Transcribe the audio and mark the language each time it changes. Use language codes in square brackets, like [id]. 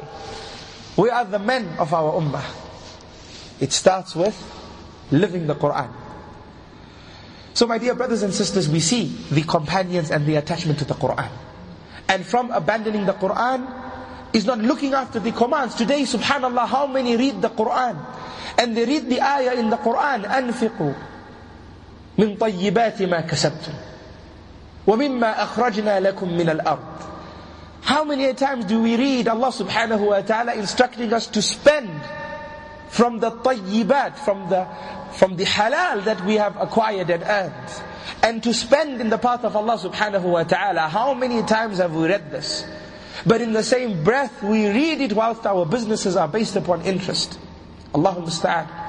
[en] Where are the men of our ummah? It starts with living the Quran. So my dear brothers and sisters, we see the companions and the attachment to the Quran. And from abandoning the Quran, is not looking after the commands. Today, subhanAllah, how many read the Quran? And they read the ayah in the Quran, [ar] أَنْفِقُوا مِن طَيِّبَاتِ مَا كَسَبْتُمْ وَمِمَّا أَخْرَجْنَا لَكُمْ مِنَ الْأَرْضِ. [en] How many times do we read Allah subhanahu wa ta'ala instructing us to spend from the tayyibat, from the halal that we have acquired and earned, and to spend in the path of Allah subhanahu wa ta'ala. How many times have we read this? But in the same breath, we read it whilst our businesses are based upon interest. Allahu musta'an.